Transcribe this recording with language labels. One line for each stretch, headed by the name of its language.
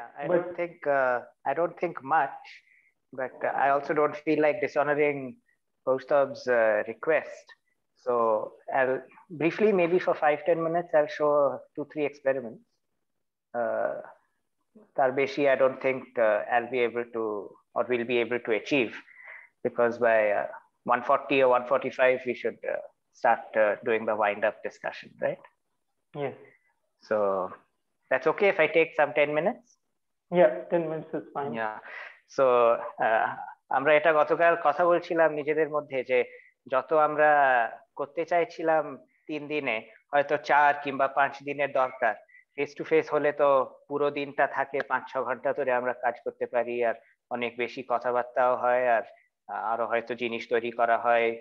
English: I don't think much, but I also don't feel like dishonouring posters request. So I'll briefly, maybe for 5-10 minutes, I'll show 2-3 experiments. Tarbeshi, I don't think I'll be able to, or we'll be able to achieve, because by 1:40 or 1:45, we should start doing the wind-up discussion, right? Yes. So that's okay if I take some 10 minutes? Yeah, 10 minutes is fine. Yeah.
Bangla: So আমরা এটা গতকাল কথা বলছিলাম নিজেদের মধ্যে যে যত আমরা করতে চাইছিলাম 3 দিনে, হয়তো 4 কিংবা 5 দিনের দরকার. ফেস টু ফেস হলে তো পুরো দিনটা থাকে, 5-6 ঘন্টা ধরে আমরা কাজ করতে পারি, আর অনেক বেশি কথাবার্তাও হয়, আর আরো হয়তো জিনিস তৈরি করা হয়.